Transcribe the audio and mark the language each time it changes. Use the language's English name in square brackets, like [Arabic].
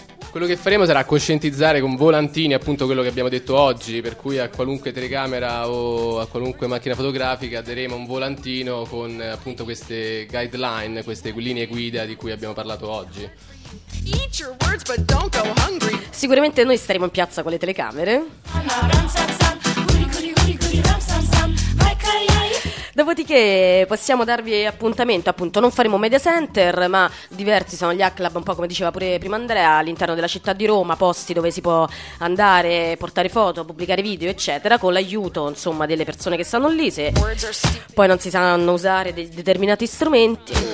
[Italian] Quello che faremo sarà coscientizzare con volantini appunto quello che abbiamo detto oggi, per cui a qualunque telecamera o a qualunque macchina fotografica daremo un volantino con appunto queste guideline, queste linee guida di cui abbiamo parlato oggi. [English] Eat your words but don't go hungry. [Italian] Sicuramente noi staremo in piazza con le telecamere. Dopodiché possiamo darvi appuntamento, appunto non faremo Media Center, ma diversi sono gli A-Club, un po' come diceva pure prima Andrea, all'interno della città di Roma, posti dove si può andare, portare foto, pubblicare video eccetera, con l'aiuto insomma delle persone che stanno lì, se poi non si sanno usare determinati strumenti.